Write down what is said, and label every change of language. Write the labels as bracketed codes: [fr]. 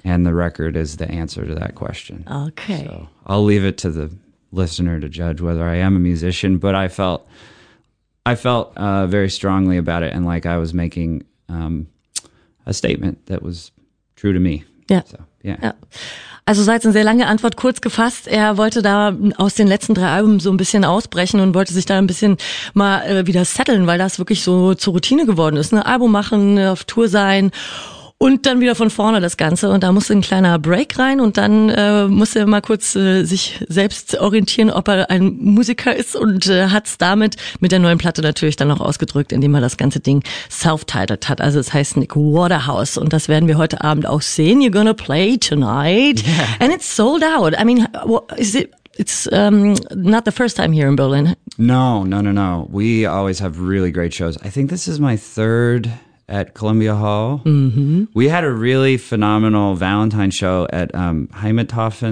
[en] And the record is the answer to that question. Okay. So I'll leave it to the listener to judge whether I am a musician, but I felt very strongly about it, and like I was making a statement that was true to me. Yeah. So, yeah. Yeah. [de] Also sei es eine sehr lange Antwort, kurz gefasst, er wollte da aus den letzten drei Alben so ein bisschen ausbrechen und wollte sich da ein bisschen mal wieder setteln, weil das wirklich so zur Routine geworden ist. Ein Album machen, auf Tour sein und dann wieder von vorne das Ganze. Und da musste ein kleiner Break rein und dann musste er mal kurz sich selbst orientieren, ob er ein Musiker ist, und hat es damit mit der neuen Platte natürlich dann auch ausgedrückt, indem er das ganze Ding self-titled hat. Also es heißt Nick Waterhouse und das werden wir heute Abend auch sehen. [en] You're gonna play tonight. Yeah. And it's sold out. I mean, it's not the first time here in Berlin. No. We always have really great shows. I think this is my third at Columbia Hall. Mm-hmm. We had a really phenomenal Valentine show at Heimathafen.